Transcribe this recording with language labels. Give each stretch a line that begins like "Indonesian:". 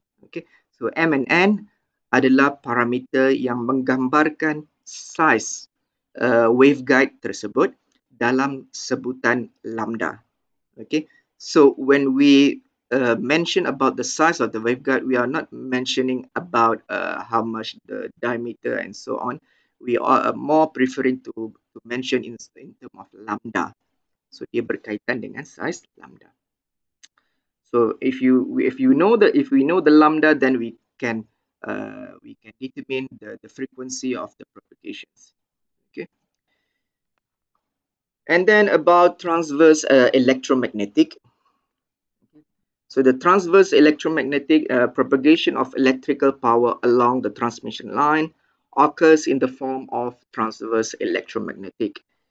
Malay: Okay, so M and N adalah parameter yang menggambarkan size waveguide tersebut dalam sebutan lambda.
English: Okay, so when we mention about the size of the waveguide, we are not mentioning about how much the diameter and so on. We are more preferring to mention in terms of lambda.
Malay: So dia berkaitan dengan size lambda.
English: So if we know the lambda, then we can determine the frequency of the propagations. Okay. And then about transverse electromagnetic. So the transverse electromagnetic propagation of electrical power along the transmission line occurs in the form of transverse electromagnetic.